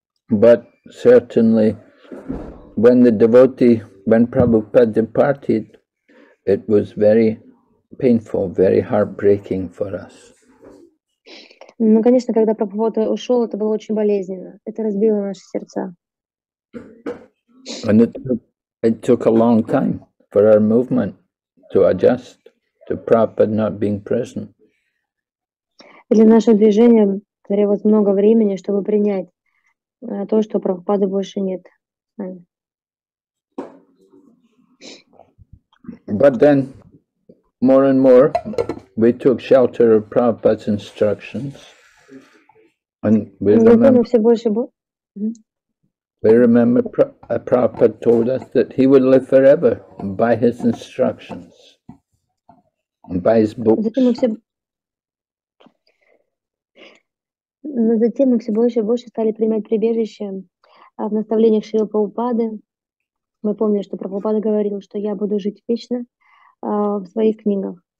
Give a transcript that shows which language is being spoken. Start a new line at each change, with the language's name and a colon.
English: But certainly when the devotee, when Prabhupada departed, it was very painful, very heartbreaking for us.
Russian: Ну, конечно, когда Прабхупада ушел, это было очень болезненно. Это разбило наши сердца.
English: And it took a long time for our movement to adjust to Prabhupada not being present.
Russian: Для нашего движения потребовалось много времени, чтобы принять то, что Прабхупады больше нет.
English: But then, more and more, we took shelter of Prabhupada's instructions, and we remember Prabhupada told us that he would live forever by his instructions, and by his books.
Russian: Но затем мы все больше и больше стали принимать прибежище в наставлениях Шрилы Прабхупады. Мы помним, что Прабхупада говорил, что я буду жить вечно в своих книгах.